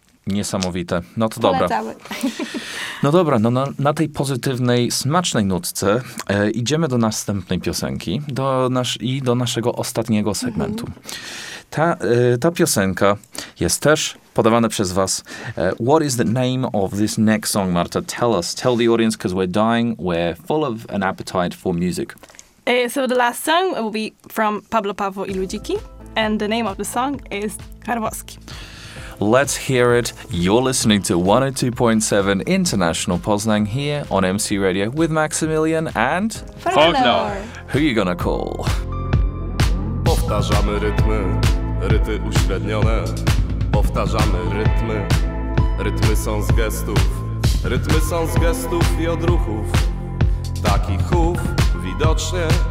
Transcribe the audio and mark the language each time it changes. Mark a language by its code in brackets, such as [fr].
[pl] Niesamowite. No to dobra. No dobra, no na tej pozytywnej, smacznej nutce idziemy do następnej piosenki do naszego ostatniego segmentu. Mm-hmm. Ta piosenka jest też podawana przez was. [en] What is the name of this next song, Marta? Tell us, tell the audience, because we're dying, we're full of an appetite for music. So the last song will be from Pablo Pavo i Ludziki, and the name of the song is Karwowski. Let's hear it. You're listening to 102.7 International Poznań here on MC Radio with Maximilian and Forklore. Who you gonna call? [pl] Powtarzamy rytmy, ryty uśrednione. Powtarzamy rytmy, rytmy są z gestów. Rytmy są z gestów i odruchów, taki chów widocznie.